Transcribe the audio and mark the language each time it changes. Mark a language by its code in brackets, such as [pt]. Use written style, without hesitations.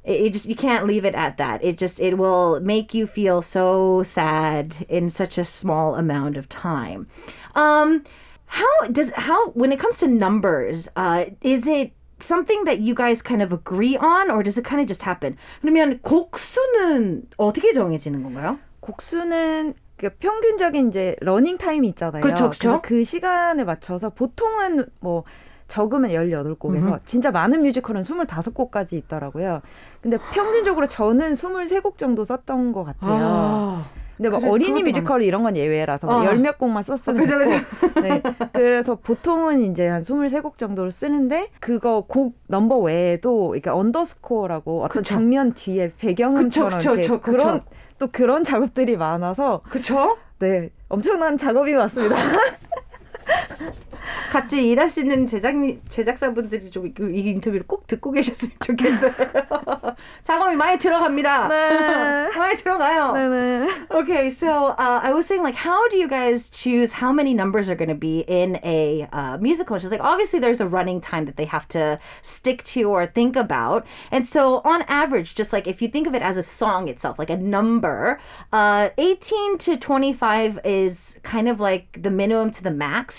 [en] You can't leave it at that. It will make you feel so sad in such a small amount of time. When it comes to numbers, is it something that you guys kind of agree on or does it kind of just happen? [ko] 그러면 곡수는 어떻게 정해지는 건가요? 곡수는 그 평균적인 이제 러닝 타임이 있잖아요. 그렇죠. 그 시간에 맞춰서 보통은 뭐 적으면 18곡에서 진짜 많은 뮤지컬은 25곡까지 있더라고요. 근데 평균적으로 저는 23곡 정도 썼던 것 같아요. 아. 근데 막 그래, 어린이 뮤지컬 많네. 이런 건 예외라서 열몇 곡만 썼으면 좋고 그렇죠. 네. 그래서 보통은 이제 한 23곡 정도로 쓰는데 그거 곡 넘버 외에도 이렇게 언더스코어라고 어떤 그쵸. 장면 뒤에 배경음처럼 그런 또 그런 작업들이 많아서 그렇죠? 네 엄청난 작업이 많습니다. 같이 일하시는 제작사분들이 좀 이 인터뷰를 꼭 듣고 계셨으면 좋겠어요. 작업이 많이 들어갑니다. 네. 많이 들어가요. 네, 네. [en] Okay, so I was saying like, how do you guys choose how many numbers are going to be in a musical? She's like, obviously there's a running time that they have to stick to or think about. And so on average, just like if you think of it as a song itself, like a number, 18 to 25 is kind of like the minimum to the max.